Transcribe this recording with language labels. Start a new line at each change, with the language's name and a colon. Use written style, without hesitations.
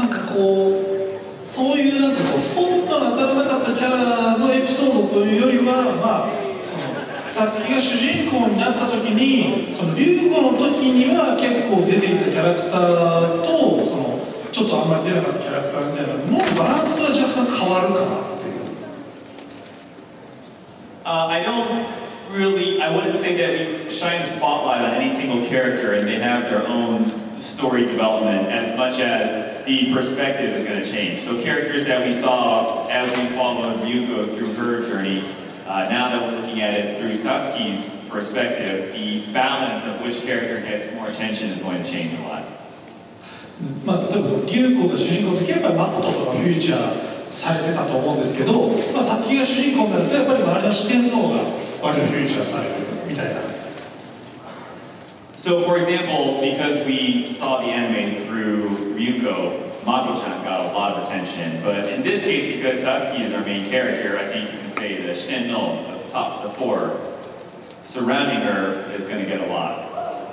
Japanese: なんかこうそういうなんかこうスポットが当たらなかったキャラのエピソードというよりはまあさつきが主人公になったときにその龍子のときには結構出てきたキャラクターとそのちょっとあんまり出なかったキャラクターみたいなのバランスが若干変わるかなっていう
English: I don't really, I wouldn't say that we shine a spotlight on any single character and they have their own story development as much as the perspective is going to change. So characters that we saw as we followed Ryuko through her journeyNow that we're looking at it through Satsuki's perspective, the balance of which character gets more attention is going to change a lot.
Japanese: まあ、例えば、龍子が主人公の時はやっぱりマットとかフューチャーされてたと思うんですけど、まあ、サツキが主人公になると、やっぱり周りの視点の方が割とフューチャーされるみたいな。
English: So, for example, because we saw the anime through Ryuko,Mako-chan got a lot of attention, but in this case, because Satsuki is our main character, I think you can say the Shen-no, the top, the four, surrounding her is going to get a lot.